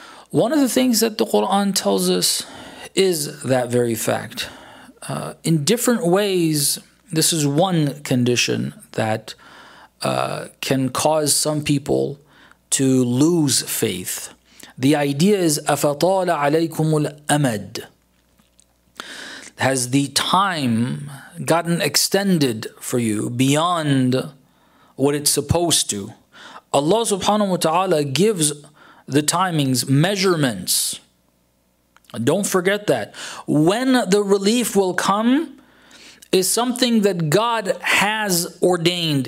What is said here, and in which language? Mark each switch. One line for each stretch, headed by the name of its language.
English: One of the things that the Quran tells us is that very fact. In different ways, this is one condition that can cause some people to lose faith. The idea is,
Arabic: أَفَطَالَ عَلَيْكُمُ الْأَمَدِ.
English: Has the time gotten extended for you beyond what it's supposed to? Allah subhanahu wa ta'ala gives the timings, measurements. Don't forget that. When the relief will come is something that God has ordained.